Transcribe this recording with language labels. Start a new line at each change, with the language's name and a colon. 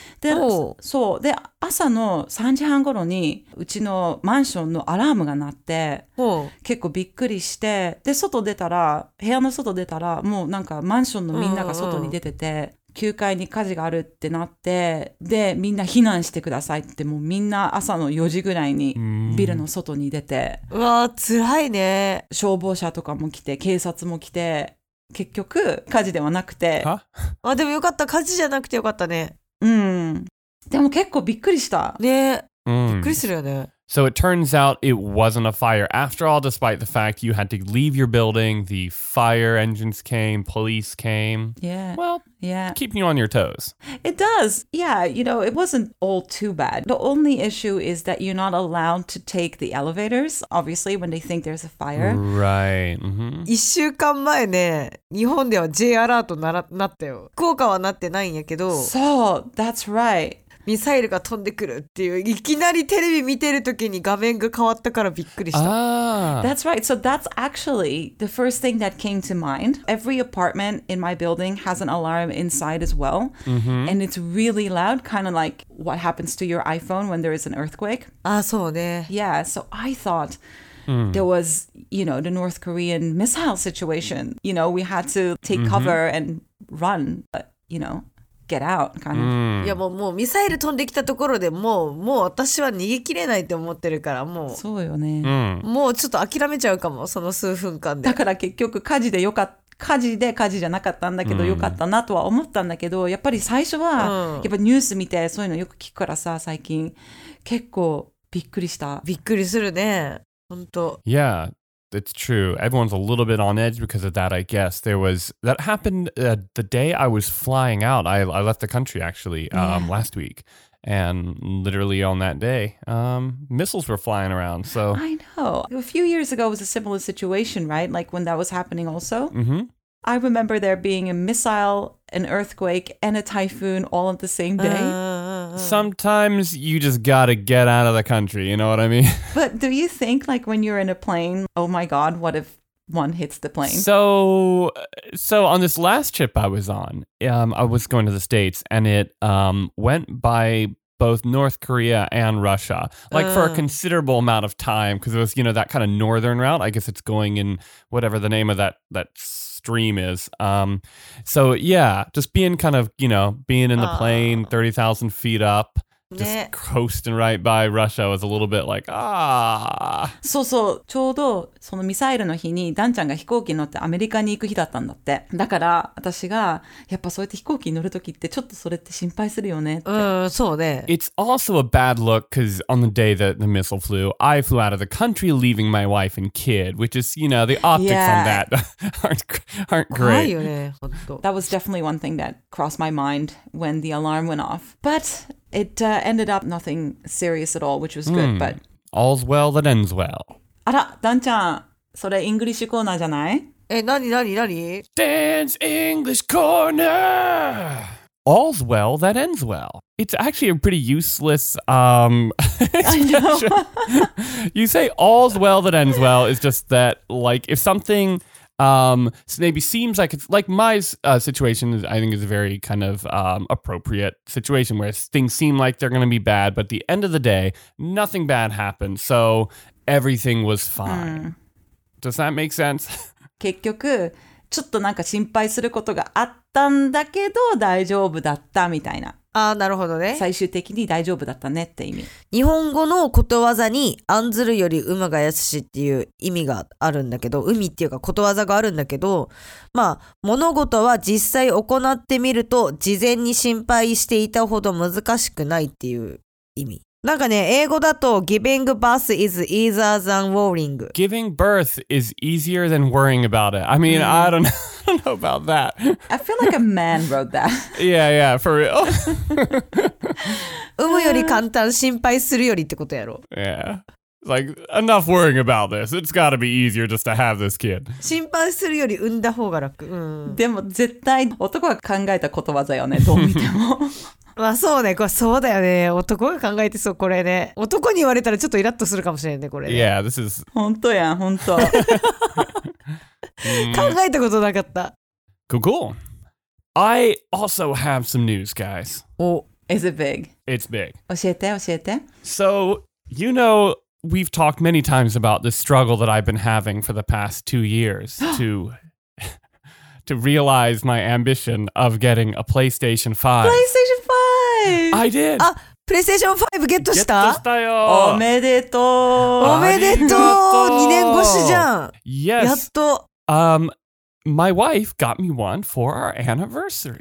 Japanese: で、そう。で、朝の3時半頃にうちのマンションのアラームが鳴って、結構びっくりして、で、外出たら、部屋の外出たら、もうなんかマンションのみんなが外に出てて、9階に火事があるってなって、で、みんな避難してくださいって、もうみんな朝の4時ぐらいにビルの外に出て。うわー、辛いね。消防車とかも来て、警察も来て、結局火事ではなくて。あ、でもよかった、火事じゃなくてよかったね。うん。でも結構びっくりした。ね。びっくりするよね。
English: So it turns out it wasn't a fire after all, despite the fact you had to leave your building, the fire engines came, police came. Yeah. Well, yeah. Keeping you on your toes. It does. Yeah, you know, it wasn't all too bad. The only issue is that you're not allowed to take the elevators, obviously, when they think there's a fire. Right.
Japanese: 一週間前ね、日本では J アラートなったよ。効果はなってないんやけど。
English: So, that's right.
Japanese: ミサイルが飛んでくるっていう、いきなりテレビ見てるときに画面が変わったからびっくりした。
English: That's right. So that's actually the first thing that came to mind. Every apartment in my building has an alarm inside as well. Mm-hmm. And it's really loud, kind of like what happens to your iPhone when there is an earthquake.
Japanese: あ、そうね。
English: Yeah, so I thought... There was, you know, the North Korean missile situation. You know, we had to take cover and run, but, you know... Get out, kind of.
Japanese: いやもうミサイル飛んできたところでもう私は逃げ切れないって思ってるからもうそうよね、うん、もうちょっと諦めちゃうかもその数分間でだから結局火事じゃなかったんだけど、うん、よかったなとは思ったんだけどやっぱり最初は、うん、やっぱニュース見てそういうのよく聞くからさ最近結構びっくりしたびっくりするね本当
English: YeahIt's true. Everyone's a little bit on edge because of that, I guess. That happened the day I was flying out. I left the country, actually, last week. And literally on that day, missiles were flying around, so... I know. A few years ago was a similar situation, right? Like when that was happening also? Mm-hmm. I remember there being a missile, an earthquake, and a typhoon all on the same day. Sometimes you just gotta get out of the country, you know what I mean? But do you think, like, when you're in a plane, oh my god, what if one hits the plane? So on this last trip I was on, I was going to the States, and it went by... both North Korea and Russia, like for a considerable amount of time, because it was, you know, that kind of northern route. I guess it's going in whatever the name of that stream is. So, yeah, just being kind of, you know, being in the plane 30,000 feet up, just coasting right by Russia was a little bit like,
Japanese: そうそう、ちょうどそのミサイルの日にダンちゃんが飛行機に乗ってアメリカに行く日だったんだって。だから私がやっぱそうやって飛行機に乗るときってちょっとそれって心配するよねって。そうね。
English: It's also a bad look because on the day that the missile flew, I flew out of the country leaving my wife and kid, which is, you know, the optics on that aren't great.
Japanese: 怖いよね、本当。
English: That was definitely one thing that crossed my mind when the alarm went off. But... It ended up nothing serious at all, which was good, but... All's well that ends well.
Japanese: あら、ダンちゃん、それイングリッシュコーナーじゃない? え、なになになに?
English: Dan's English Corner! All's well that ends well. It's actually a pretty useless... I know. You say all's well that ends well is just that, like, if something... maybe seems like it's like my situation is, I think is a very kind of appropriate situation where things seem like they're going to be bad, but at the end of the day, nothing bad happened, so everything was fine. Does that make sense?
Japanese: 結局ちょっとなんか心配することがあったんだけど大丈夫だったみたいな。あー、なるほどね。最終的に大丈夫だったねって意味。日本語のことわざに案ずるより馬が安しっていう意味があるんだけど、海っていうかことわざがあるんだけど、まあ物事は実際行ってみると事前に心配していたほど難しくないっていう意味。なんかね、英語だと
English: giving birth is easier than worrying. Giving birth is easier than worrying about it. I mean,I don't know about that. I feel like a man wrote that. yeah, for real.
Japanese: 産むより簡単、心配するよりってことやろ。
English: Yeah. Like, enough worrying about this. It's gotta be easier just to have this kid.
Japanese: 心配するより産んだ方が楽。うん、でも絶対男が考えたことわざよね、どう見ても。まあそうね、これそうだよね。男が考えてそう、これね。男に言われたらちょっとイラッとするかもしれないね、これね。
English: Yeah, this is...
Japanese: 本当やん、本当。考えたことなかった。
English: Cool. I also have some news, guys. Oh, is it big? It's big.
Japanese: 教えて。
English: So, you know, we've talked many times about the struggle that I've been having for the past 2 years to realize my ambition of getting a PlayStation 5. PlayStation 5! I did!
Japanese: PlayStation 5 ゲットした? ゲットしたよ。おめでとう。おめでとう。2年越しじゃん。
English: Yes.
Japanese: やっと。
English: My wife got me one for our anniversary.